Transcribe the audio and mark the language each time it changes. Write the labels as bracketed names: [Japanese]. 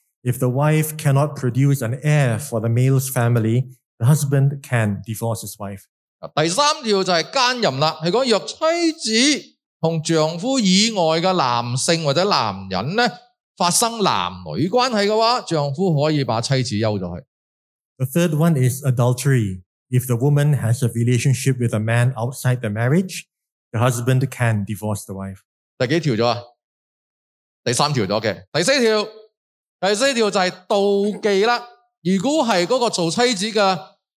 [English] If the wife cannot produce an heir for the male's family, the husband can divorce his wife. [Chinese] 第三条就是奸淫了，是说若妻子和丈夫以外的男性或者男人发生男女关系的话，丈夫可以把妻子休了。 [English] The third one is adultery. If the woman has a relationship with a man outside the marriage, the husband can divorce the wife. [Chinese] 第几条了？第三条了。第四条就是妒忌了。如果是那个做妻子的